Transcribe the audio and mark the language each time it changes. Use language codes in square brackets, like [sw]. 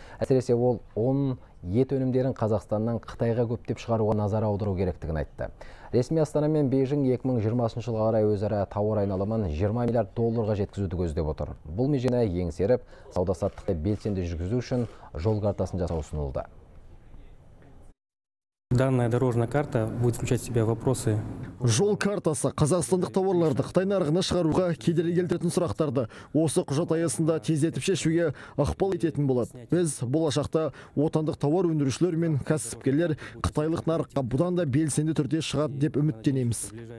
[kk] Әсіресе ол 10 ет өнімдерін Қазақстаннан Қытайға көптеп шығаруға назар аудару керектігін айтты. Ресми Астана мен Бейжің 2020 жылға қарай өзара тауар айналымын 20 миллиард долларға жеткізуді көздеп отыр. Бұл межені еңсеріп, сауда-саттықты белсенді жүргізу үшін жол картасын жасау ұсынылды. [ru] Данная дорожная карта будет включать в себя вопросы. [kk] Жол картасы қазақстандық тауарларды Қытай нарығына шығаруға кедергі келтіретін сұрақтарды осы құжат аясында тездетіп шешуге ықпал ететін болады. Біз болашақта отандық тауар өндірушілер мен кәсіпкерлер қытайлық нарыққа бұдан да белсенді түрде шығады деп үміттенеміз.